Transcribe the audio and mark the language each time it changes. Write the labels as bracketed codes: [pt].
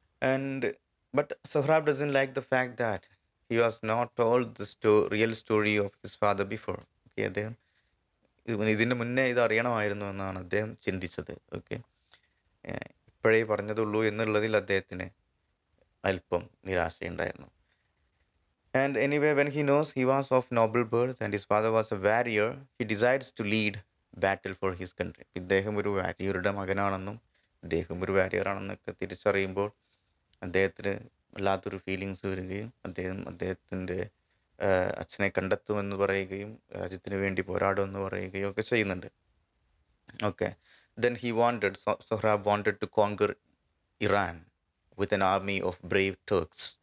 [en] And but Sohrab doesn't like the fact that he was not told the real story of his father before. [ml] Okay അദ്ദേഹം ഇതിന് മുന്നേ ഇത് അറിയണമായിരുന്നു എന്നാണ് അദ്ദേഹം ചിന്തിച്ചത്. ഓക്കെ ഇപ്പോഴേ പറഞ്ഞതുള്ളൂ എന്നുള്ളതിൽ അദ്ദേഹത്തിന് അല്പം നിരാശയുണ്ടായിരുന്നു. [en] And anyway, when he knows he was of noble birth and his father was a warrior, he decides to lead battle for his country. [ml] ഇദ്ദേഹം ഒരു വാരിയറുടെ മകനാണെന്നും ഇദ്ദേഹം ഒരു വാരിയറാണെന്നൊക്കെ തിരിച്ചറിയുമ്പോൾ അദ്ദേഹത്തിന് വല്ലാത്തൊരു ഫീലിങ്സ് വരികയും അദ്ദേഹത്തിൻ്റെ അച്ഛനെ കണ്ടെത്തുമെന്ന് പറയുകയും രാജ്യത്തിന് വേണ്ടി പോരാടുമെന്ന് പറയുകയും ഒക്കെ ചെയ്യുന്നുണ്ട്. [en] Okay then he wanted Sohrab wanted to conquer Iran with an army of brave Turks.